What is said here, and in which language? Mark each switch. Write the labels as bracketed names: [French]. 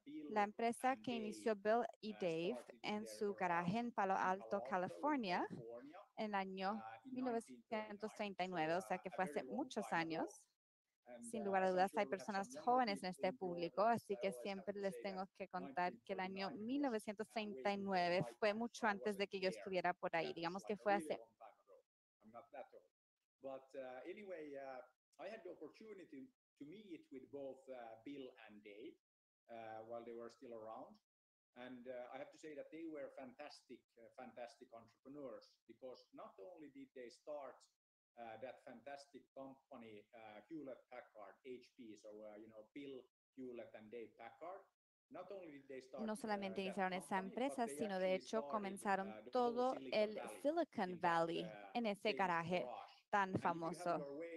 [Spanish] La empresa que inició Bill y Dave en su garaje en Palo Alto, California, en el año 1939, o sea que fue hace muchos años. Sin lugar a dudas, hay personas jóvenes en este público, así que siempre les tengo que contar que el año 1939 fue mucho antes de que yo estuviera por ahí. Digamos que fue hace... [English] I had the opportunity to meet with both Bill and Dave while they were still around. And I have to say that they were fantastic entrepreneurs, because not only did they start that fantastic company, Hewlett Packard, HP, so, you know, Bill Hewlett and Dave Packard, not only did they start... [Spanish] No solamente iniciaron esa empresa, sino de hecho comenzaron todo el Silicon Valley en ese garaje tan famoso.